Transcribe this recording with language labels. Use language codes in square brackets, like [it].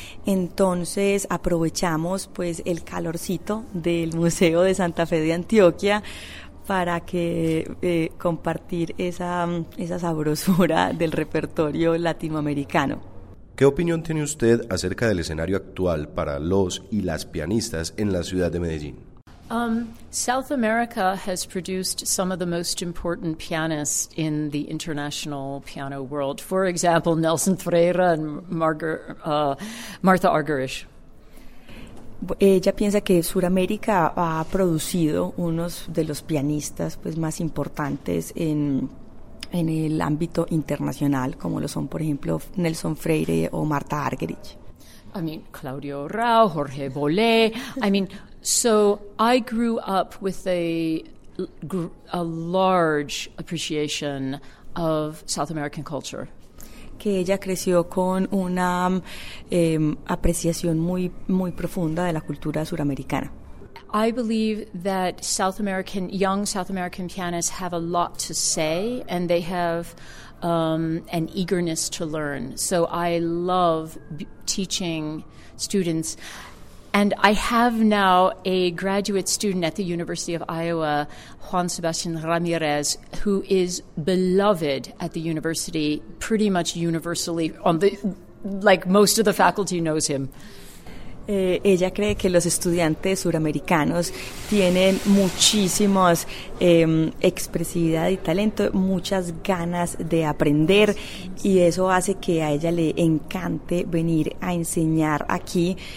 [es] Entonces aprovechamos pues el calorcito del Museo de Santa Fe de Antioquia para que compartir esa sabrosura del repertorio latinoamericano. ¿Qué opinión tiene usted acerca del escenario actual para los y las pianistas en la ciudad de Medellín? [en] South America has produced some of the most important pianists in the international piano world. For example, Nelson Freire and Martha Argerich. [es] Ella piensa que Sudamérica ha producido unos de los pianistas pues más importantes en el ámbito internacional, como lo son, por ejemplo, Nelson Freire o Martha Argerich. [en] I mean, Claudio Rau, Jorge Bolé. I mean, so I grew up with a large appreciation of South American culture. [es] Que ella creció con una apreciación muy, muy profunda de la cultura suramericana. [en] I believe that young South American pianists have a lot to say and they have an eagerness to learn. So I love teaching students. And I have now a graduate student at the University of Iowa, Juan Sebastian Ramirez, who is beloved at the university pretty much universally. Most of the faculty knows him. [es] Ella cree que los estudiantes suramericanos tienen muchísimas expresividad y talento, muchas ganas de aprender y eso hace que a ella le encante venir a enseñar aquí.